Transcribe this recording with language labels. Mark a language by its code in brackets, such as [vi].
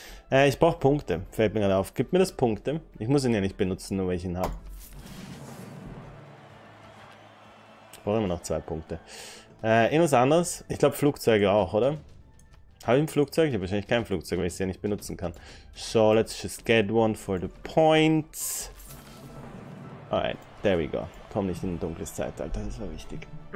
[de] Ich brauche Punkte. Fällt mir gerade auf. Gib mir das Punkte. Ich muss ihn ja nicht benutzen, nur weil ich ihn habe. Ich brauche immer noch 2 Punkte. Irgendwas anderes. Ich glaube Flugzeuge auch, oder? Habe ich ein Flugzeug? Ich habe wahrscheinlich kein Flugzeug, weil ich es ja nicht benutzen kann. [en] So, let's just get one for the points. Alright, there we go. [de] Komm nicht in ein dunkles Zeitalter, das war wichtig.